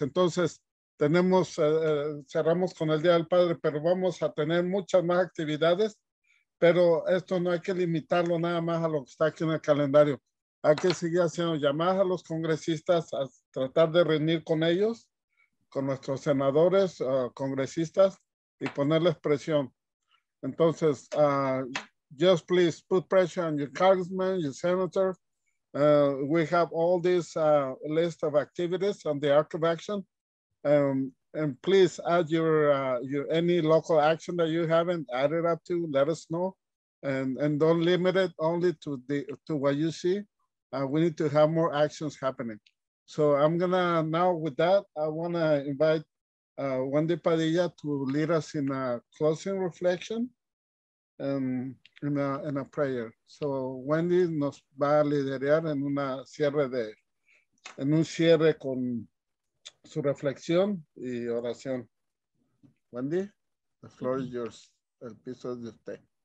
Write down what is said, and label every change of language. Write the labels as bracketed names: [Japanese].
[Spanish] Entonces, cerramos con el Día del Padre, pero vamos a tener muchas más actividades, pero esto no hay que limitarlo nada más a lo que está aquí en el calendario. Hay que seguir haciendo llamadas a los congresistas, a tratar de reunir con ellos, con nuestros senadores, congresistas, y ponerles presión. [English] Entonces, just please put pressure on your congressman, your senator. We have all this list of activities on the Arc of Action. And please add your any local action that you haven't added up to, let us know. And don't limit it only to what you see. We need to have more actions happening. So I'm gonna, now with that, I wanna invite Wendy Padilla to lead us in a closing reflection and in a prayer. [Spanish] So Wendy nos va a liderar en una cierre de, en un cierre con su reflexión y oración. Wendy, [English] the floor is yours. [Spanish] El piso es de usted.